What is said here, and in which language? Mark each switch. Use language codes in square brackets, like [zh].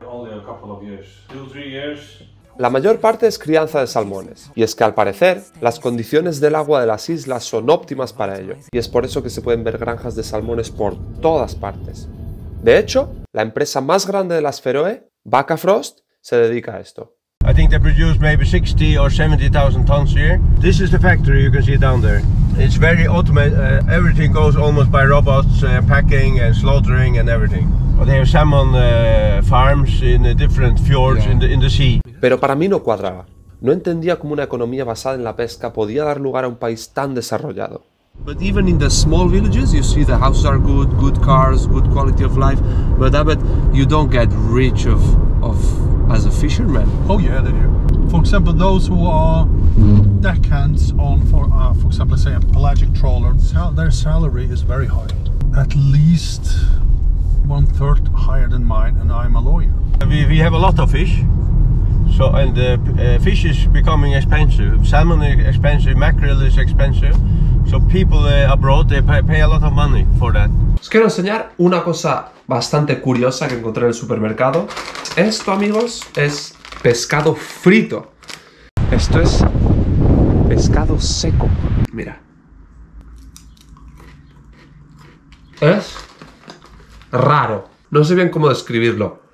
[en] Only a couple of years. 2 or 3 years. [es] La mayor parte es crianza de salmones, y es que al parecer las condiciones del agua de las islas son óptimas para ello, y es por eso que se pueden ver granjas de salmones por todas partes. De hecho, la empresa más grande de las Feroe, Bakkafrost, se dedica a esto. [en] I think they produce maybe 60 or 70,000 tons a year. This is the factory you can see down there. It's very automated. Everything goes almost by robots, packing and slaughtering and everything. They have salmon farms in different fjords in the sea. [es] Pero para mí no cuadraba. No entendía cómo una economía basada en la pesca podía dar lugar a un país tan desarrollado. [en] But even in the small villages, you see the houses are good, good cars, good quality of life. But I bet you don't get rich of as a fisherman. Oh yeah, they do. For example, those who are deckhands on for example, say a pelagic trawler, their salary is very high. At least one third higher than mine, and I'm a lawyer. We have a lot of fish. So, and the fish is becoming expensive. Salmon is expensive, mackerel is expensive. So people abroad, they pay a lot of money for that. [es] Os quiero enseñar una cosa bastante curiosa que encontré en el supermercado. Esto, amigos, es pescado frito. Esto es pescado seco. Mira. Es raro. No sé bien cómo describirlo.